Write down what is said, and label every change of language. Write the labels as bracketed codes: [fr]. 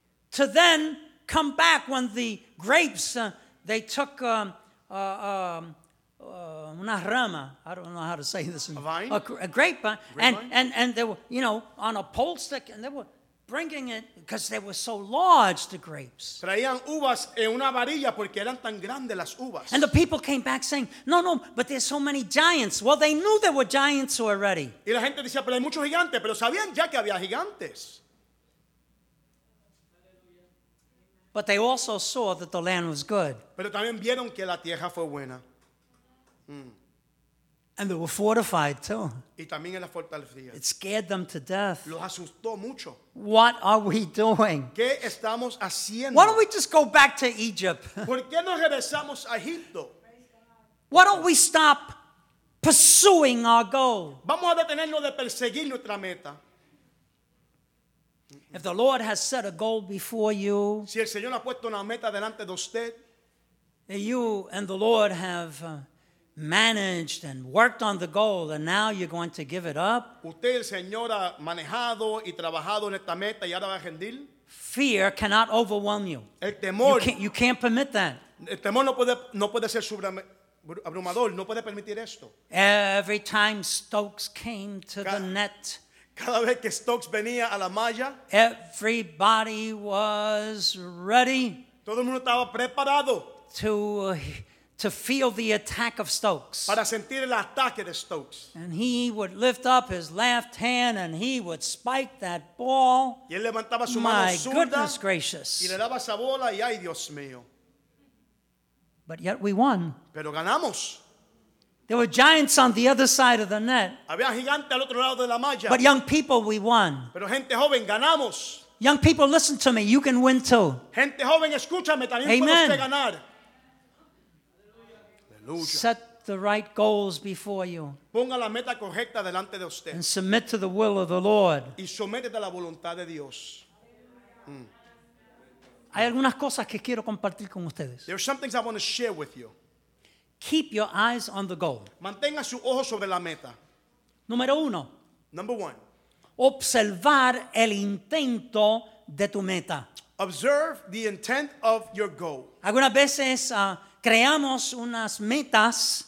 [en] To then come back when the grapes, they took [es] una rama, [en] I don't know how to say this. A vine? A grape vine. And they were, you know, on a pole stick, and they were bringing it because they were so large, the grapes. [es] Traían uvas en una varilla porque eran tan grandes las uvas. [en] And the people came back saying, no, but there's so many giants. Well, they knew there were giants already. [es] Y la gente decía, pero hay muchos gigantes, pero sabían ya que había gigantes. [en] But they also saw that the land was good. [es] Pero también vieron que la tierra fue buena. Mm. [en] And they were fortified too. [es] Y también en la fortalecía. [en] It scared them to death. [es] Los asustó mucho. [en] What are we doing? [es] ¿Qué estamos haciendo? [en] Why don't we just go back to Egypt? [es] ¿Por qué no regresamos a Egipto? [en] Why don't we stop pursuing our goal? [es] Vamos a detenernos de perseguir nuestra meta. [en] If the Lord has set a goal before you, [es] si el Señor ha puesto una meta delante de usted, [en] and you and the Lord have managed and worked on the goal, and now you're going to give it up. [es] Usted el Señor ha manejado y trabajado en esta meta y ahora va a rendir. [en] Fear cannot overwhelm you. [es] El temor. [en] You can't permit that. [es] El temor no puede ser abrumador. No puede permitir esto. [en] Every time Stokes came to the net. [es] Cada vez que Stokes venía a la malla, [en] everybody was ready. [es] Todo el mundo estaba preparado. [en] To feel the attack of Stokes. [es] Para sentir el ataque de Stokes. [en] And he would lift up his left hand and he would spike that ball. [es] Y él levantaba su [en] My [es] mano zurda, [en] goodness gracious. [es] Y le daba esa bola y ay Dios mío. [en] But yet we won. [es] Pero ganamos. [en] There were giants on the other side of the net. [es] Había gigantes al otro lado de la malla. [en] But young people, we won. [es] Pero gente joven, ganamos. [en] Young people, listen to me. You can win too. [es] Gente joven, escúchame, también [en] Amen. [es] Puede usted ganar. [en] Set the right goals before you. [es] Ponga la meta correcta delante de usted. [en] And submit to the will of the Lord. [es] Y sométete a la voluntad de Dios. Mm. Hay algunas cosas que quiero compartir con ustedes. [en] There are some things I want to share with you. Keep your eyes on the goal. [es] Mantenga su ojo sobre la meta. Número uno. [en] Number one. [es] Observar el intento de tu meta. [en] Observe the intent of your goal. [es] Algunas veces creamos unas metas.